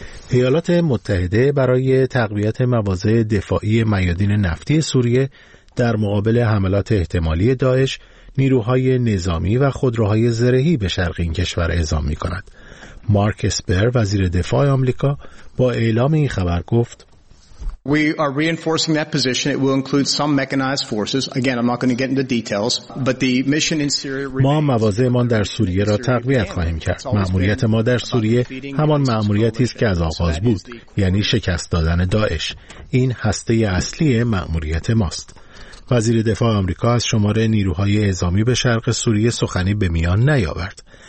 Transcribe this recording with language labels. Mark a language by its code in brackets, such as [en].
[fa] ایالات متحده برای تقویت مواضع دفاعی میادین نفتی سوریه در مقابل حملات احتمالی داعش نیروهای نظامی و خودروهای زرهی به شرق این کشور اعزام می کند. مارک اسپر وزیر دفاع آمریکا با اعلام این خبر گفت [en] We are reinforcing that position. It will include some mechanized forces. Again, I'm not going to get into details, but the mission in Syria [fa] ما مواضعمان در سوریه را تقویت خواهیم کرد. مأموریت ما در سوریه همان مأموریتی است که از آغاز بود، یعنی شکست دادن داعش. این هسته اصلی مأموریت ماست. وزیر دفاع آمریکا از شماره نیروهای اعزامی به شرق سوریه سخنی به میان نیاورد.